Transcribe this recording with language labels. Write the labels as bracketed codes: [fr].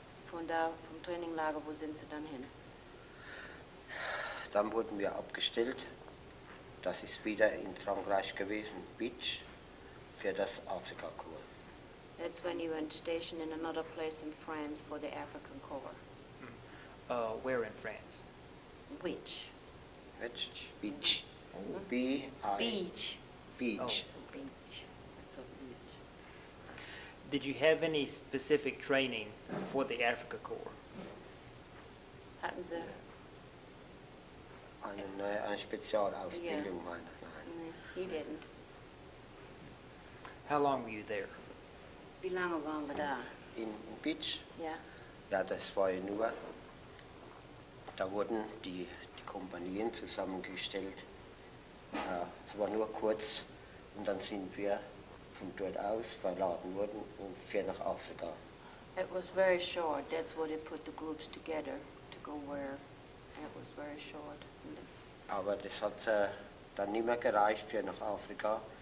[de] Von da, vom Traininglager, wo sind Sie dann hin? Dann wurden wir abgestellt. Das ist wieder in Frankreich gewesen, Beach, für das Afrika Corps. [en] That's when you went stationed in another place in France for the African Corps. Where in France? Which? Which? Beach. Mm-hmm. B-I. Beach. Beach. Oh. Beach. Beach. It's a beach. Did you have any specific training for the Africa Corps? [de] Hatten Sie? Eine Spezialausbildung, meine ich. Nein, [en] he didn't. How long were you there? [de] Wie lange waren wir da? [en] In Beach? [de] Ja. Ja, das war ja nur, da wurden die Kompanien zusammengestellt. Es war nur kurz und dann sind wir von dort aus verladen worden und fuhr nach Afrika. [en] It was very short. That's what it put the groups together to go where. It was very short. [de] Aber das hat dann nicht mehr gereicht für nach Afrika.